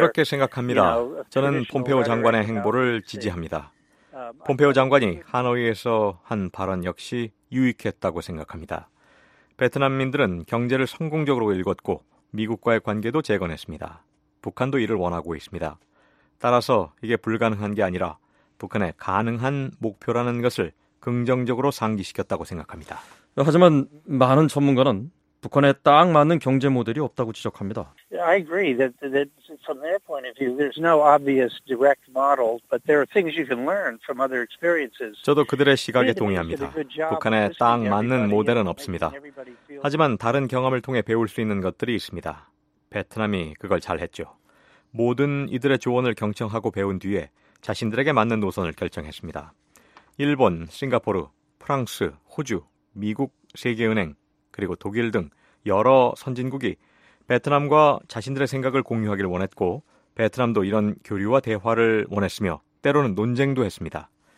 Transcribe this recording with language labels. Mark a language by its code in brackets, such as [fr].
[ko] 그렇게 생각합니다. 저는 폼페오 장관의 행보를 지지합니다. 폼페오 장관이 하노이에서 한 발언 역시 유익했다고 생각합니다. 베트남민들은 경제를 성공적으로 일궜고 미국과의 관계도 재건했습니다. 북한도 이를 원하고 있습니다. 따라서 이게 불가능한 게 아니라 북한의 가능한 목표라는 것을 긍정적으로 상기시켰다고 생각합니다. 하지만 많은 전문가는 북한에 딱 맞는 경제 모델이 없다고 지적합니다. [en] I agree that from their point of view, there's no obvious direct model, but there are things you can learn from other experiences. [ko] 저도 그들의 시각에 동의합니다. 북한에 딱 맞는 모델은 없습니다. 하지만 다른 경험을 통해 배울 수 있는 것들이 있습니다. 베트남이 그걸 잘했죠. 모든 이들의 조언을 경청하고 배운 뒤에 자신들에게 맞는 노선을 결정했습니다. 일본, 싱가포르, 프랑스, 호주, 미국, 세계은행, 그리고 독일 등 여러 선진국이 베트남과 자신들의 생각을 공유하길 원했고 베트남도 이런 교류와 대화를 원했으며 때로는 논쟁도 했습니다.